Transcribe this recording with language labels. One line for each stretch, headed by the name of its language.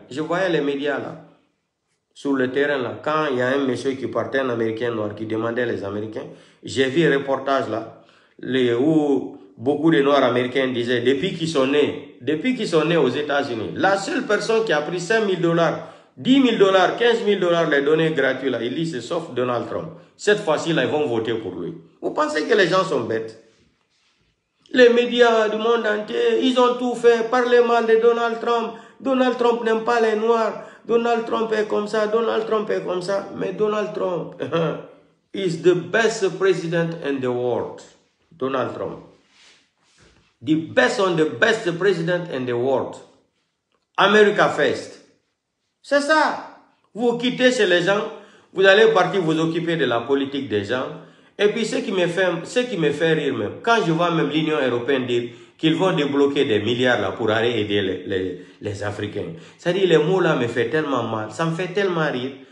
French: Je voyais les médias là, sur le terrain là, quand il y a un monsieur qui partait, un Américain noir, qui demandait les Américains, j'ai vu un reportage là, où beaucoup de Noirs américains disaient, depuis qu'ils sont nés aux États-Unis, la seule personne qui a pris 5 000 $, 10 000 $, 15 000 $, les données gratuites là, il dit c'est sauf Donald Trump. Cette fois-ci là, ils vont voter pour lui. Vous pensez que les gens sont bêtes? Les médias du monde entier, ils ont tout fait. Parler mal de Donald Trump. Donald Trump n'aime pas les Noirs. Donald Trump est comme ça. Donald Trump est comme ça.
English: Mais Donald Trump is the best president in the world. Donald Trump. The best on the best president in the world.
French: America first. C'est ça. Vous quittez chez les gens. Vous allez partir vous occuper de la politique des gens. Et puis, ce qui me fait rire même, quand je vois même l'Union européenne dire qu'ils vont débloquer des milliards là pour aller aider les Africains, c'est-à-dire les mots là me fait tellement mal, ça me fait tellement rire.